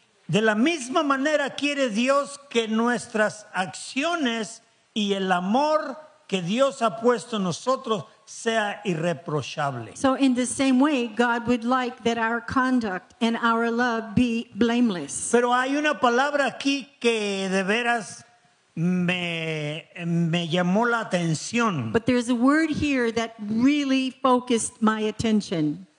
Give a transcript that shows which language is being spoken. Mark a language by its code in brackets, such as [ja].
[es] De la misma manera quiere Dios que nuestras acciones y el amor que Dios ha puesto en nosotros sea irreprochable. [en] So in the same way, God would like that our conduct and our love be blameless. [es] Pero hay una palabra aquí que de veras me llamó la atención. [en] But there's a word here that really focused my attention.